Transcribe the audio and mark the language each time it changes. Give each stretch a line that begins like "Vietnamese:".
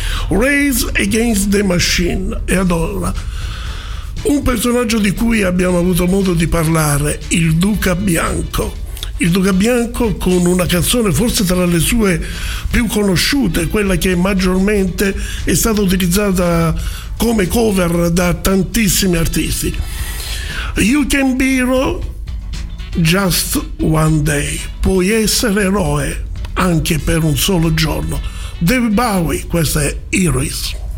Italian: Rage Against the Machine. E allora, un personaggio di cui abbiamo avuto modo di parlare, il Duca Bianco. Il Duca Bianco, con una canzone forse tra le sue più conosciute, quella che maggiormente è stata utilizzata come cover da tantissimi artisti.
English: You can be hero just one day.
Italian: Puoi essere eroe anche per un solo giorno. David Bowie, questa è Heroes.